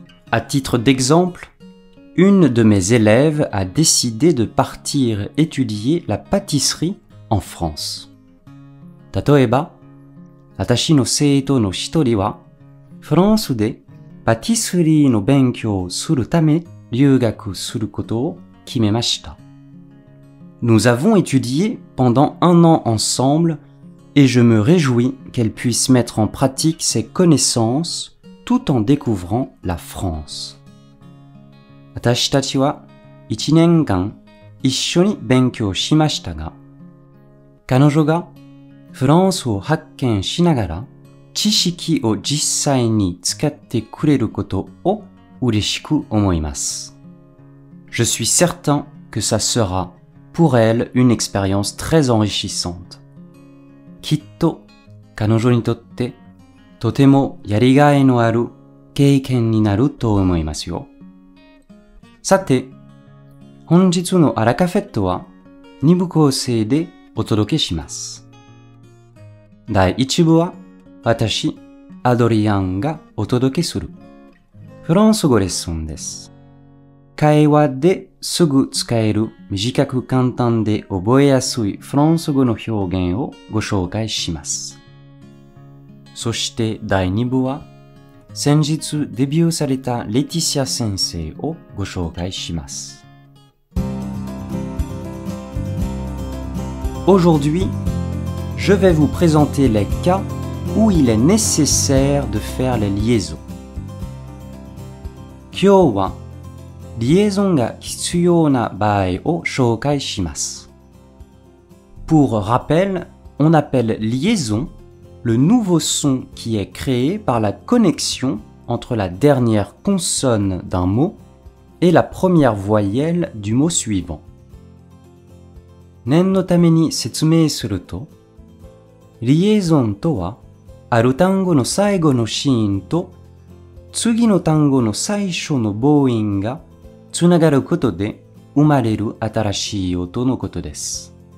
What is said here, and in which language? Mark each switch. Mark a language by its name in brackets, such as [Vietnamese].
[French] À titre d'exemple, une de mes élèves a décidé de partir étudier la pâtisserie en France. [Japanese] 例えば、私の生徒の一人は、フランスでパティスリーの勉強をするため留学することを決めました。 [French] Nous avons étudié pendant un an ensemble et je me réjouis qu'elle puisse mettre en pratique ses connaissances. Tout en découvrant la France. [Japanese] 私たちは一年間一緒に勉強しましたが、彼女がフランスを発見しながら知識を実際に使ってくれることを嬉しく思います。 [French] Je suis certain que ça sera pour elle une expérience très enrichissante. [Japanese] きっと彼女にとってとてもやりがいのある経験になると思いますよ。さて、本日のアラカフェットは2部構成でお届けします。第1部は私、アドリアンがお届けするフランス語レッスンです。会話ですぐ使える短く簡単で覚えやすいフランス語の表現をご紹介します。そして第2部は、先日デビューされたレティシア先生をご紹介します。 [French] Aujourd'hui, je vais vous présenter les cas où il est nécessaire de faire les liaisons. [Japanese] 今日は、リエゾンが必要な場合を紹介します。 [French] Pour rappel, on appelle liaison le nouveau son qui est créé par la connexion entre la dernière consonne d'un mot et la première voyelle du mot suivant. [Japanese] 念のために説明すると、リエゾンとは、ある単語の最後のシーンと、次の単語の最初の母音がつながることで生まれる新しい音のことです。